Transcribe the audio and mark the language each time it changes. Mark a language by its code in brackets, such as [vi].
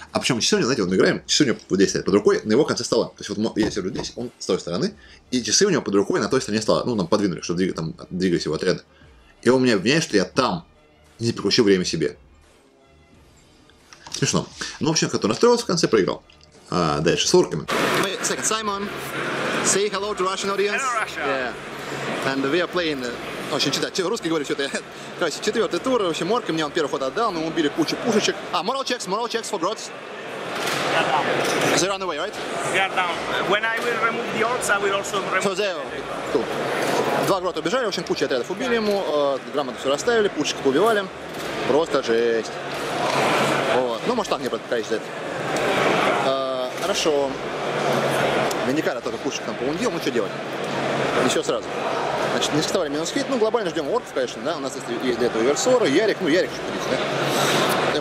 [ru] А причем часы у меня, знаете, вот мы играем, часы у него вот здесь стоят под рукой, на его конце стола. То есть вот я сижу здесь, он с той стороны, и часы у него под рукой на той стороне стола. Ну, нам подвинули, чтобы двигались его отряды. И он меня обвиняет, что я там не переключил время себе. Смешно. Ну, в общем, кто настроился в конце, проиграл. А дальше, с урками. [en] Саймон, say hello to Russian audience. Hello, Russia. Yeah. And we are playing... [ru] Очень читать. Русский говорит, что это. Короче, четвертый тур. В общем, орки мне он первый ход отдал, мы убили кучу пушечек. [en] А, moral checks for grots. We are down. They run away, right? We are down. When I will remove the orcs, I will also remove. So they cool. [ru] Два грота убежали, в общем, куча отрядов убили ему, грамотно все расставили, пушечки поубивали. Просто жесть. Вот. Ну, может, танк не подкачать за это. Хорошо. Виндикара только пушек там поундил, ну что делать? И все сразу. Значит, не вставали минус хит, ну, глобально ждем орков, конечно, да, у нас есть для этого версоры, Ярик, ну, Ярик еще придется, да.